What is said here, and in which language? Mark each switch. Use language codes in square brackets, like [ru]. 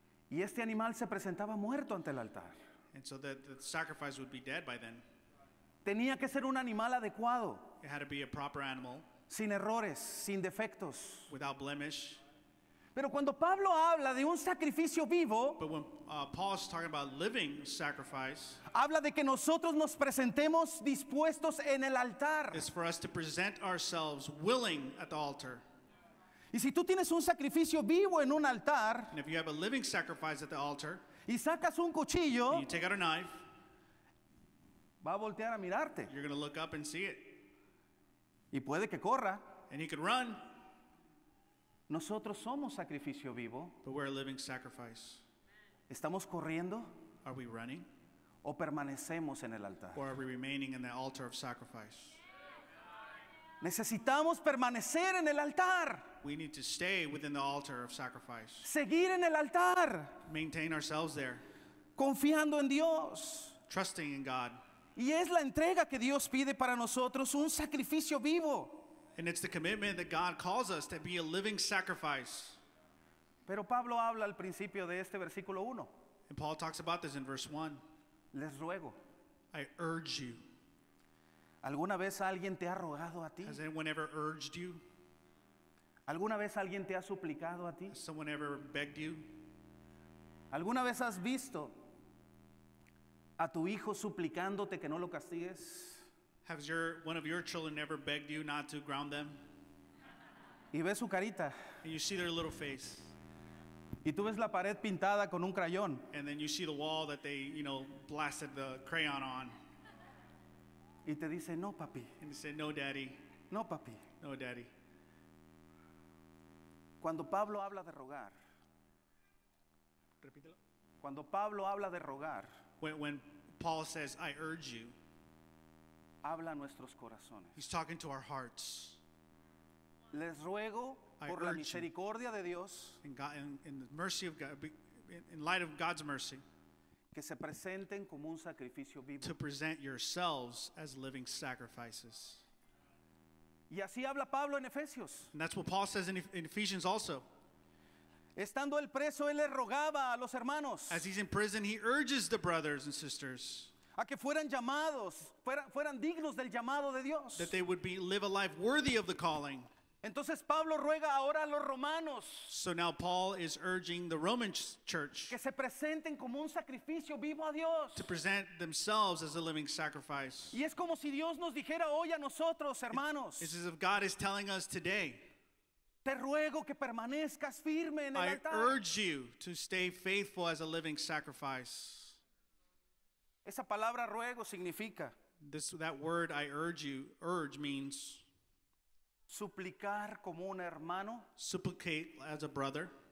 [es] Y este animal se presentaba muerto ante el altar. [en] And so the sacrifice would be dead by then. [es] Tenía que ser un animal adecuado. [en] It had to be a proper animal. [es] Sin errores, sin defectos. [en] Without blemish. [es] Pero cuando Pablo habla de un sacrificio vivo, [en] but when Paul is talking about living sacrifice, [es] habla de que nosotros nos presentemos dispuestos en el altar. [en] It's for us to present ourselves willing at the altar. [es] Y si tú tienes un sacrificio vivo en un altar, [en] and if you have a living sacrifice at the altar, [es] y sacas un cuchillo, [en] and you take out a knife, [es] va a voltear a mirarte. [en] You're going to look up and see it. [es] Y puede que corra. [en] And he could run. [es] Nosotros somos sacrificio vivo. [en] But we're a living sacrifice. [es] ¿Estamos corriendo? [en] Are we running? [es] ¿O permanecemos en el altar? [en] Or are we remaining in the altar of sacrifice? [es] Necesitamos permanecer en el altar. [en] We need to stay within the altar of sacrifice. [es] Seguir en el altar. [en] Maintain ourselves there. [es] Confiando en Dios. [en] Trusting in God. [es] Y es la entrega que Dios pide para nosotros, un sacrificio vivo. [en] And it's the commitment that God calls us to be a living sacrifice. [es] Pero Pablo habla al principio de este versículo 1. [en] And Paul talks about this in verse 1. [es] Les ruego. [en] I urge you. [es] ¿Alguna vez alguien te ha rogado a ti? [en] Has anyone ever urged you? [es] ¿Alguna vez alguien te ha suplicado a ti? [en] Has someone ever begged you? [es] ¿Alguna vez has visto a tu hijo suplicándote que no lo castigues? [en] Has one of your children ever begged you not to ground them? [es] Y ves su carita. [en] And you see their little face. [es] Y tú ves la pared pintada con un crayón. [en] And then you see the wall that they, you know, blasted the crayon on. [es] Y te dice, no, papi. [en] And they say, no, daddy. [es] No, papi. [en] No, daddy. [es] Cuando Pablo habla de rogar. Repítelo. Cuando Pablo habla de rogar. [en] When Paul says, I urge you. [es] Habla a nuestros corazones. [en] He's talking to our hearts. [es] Les ruego por la misericordia de Dios. [en] In the mercy of God, in light of God's mercy. [es] Que se presenten como un sacrificio vivo. [en] To present yourselves as living sacrifices. [es] Y así habla Pablo en Efesios. [en] And that's what Paul says in Ephesians also. [es] Estando el preso, él le rogaba a los hermanos. [en] As he's in prison, he urges the brothers and sisters. [es] A que fueran llamados, fueran dignos del llamado de Dios. [en] That they would live a life worthy of the calling. [es] Entonces Pablo ruega ahora a los romanos. [en] So now Paul is urging the Roman church. [es] Que se presenten como un sacrificio vivo a Dios. [en] To present themselves as a living sacrifice. [es] Y es como si Dios nos dijera hoy a nosotros, hermanos. [en] It's as if God is telling us today. [es] Te ruego que permanezcas firme en el altar. [en] I urge you to stay faithful as a living sacrifice. [es] Esa palabra ruego significa. [en] That word I urge you, urge means. [es] Suplicar como un hermano. [en] Supplicate as a brother.